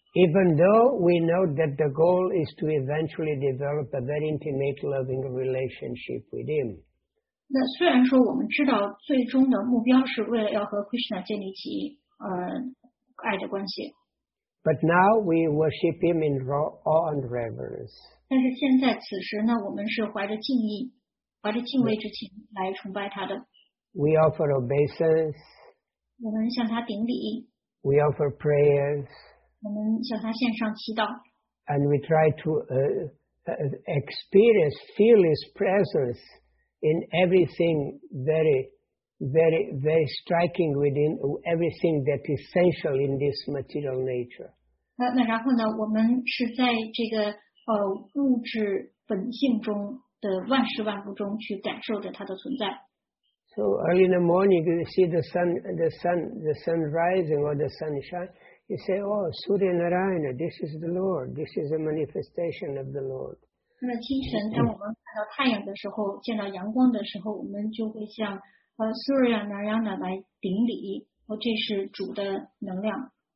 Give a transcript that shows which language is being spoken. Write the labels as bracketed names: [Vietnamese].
[English] ？Even though we know that the goal is to eventually develop a very intimate loving relationship with Him. [Chinese] 那虽然说我们知道最终的目标是为了要和 Krishna 建立起爱的关系。 [English] But now we worship him in awe and reverence. [Chinese] 但是现在此时呢，我们是怀着敬意，怀着敬畏之情来崇拜他的。 [English] We offer obeisance. [Chinese] 我们向他顶礼。 [English] We offer prayers. [Chinese] 我们向他献上祈祷。 [English] And we try to experience, feel his presence in everything very, very striking within everything that is essential in this material nature. [Chinese] 那然后呢，我们是在这个物质本性中的万事万物中去感受着它的存在。 [English] So early in the morning, you see the sun rising or the sunshine. You say, "Oh, Surya Narayana, this is the Lord. This is a manifestation of the Lord." [Chinese] 那么清晨，当我们看到太阳的时候，见到阳光的时候，我们就会像Surya Narayana 来顶礼，哦，这是主的能量。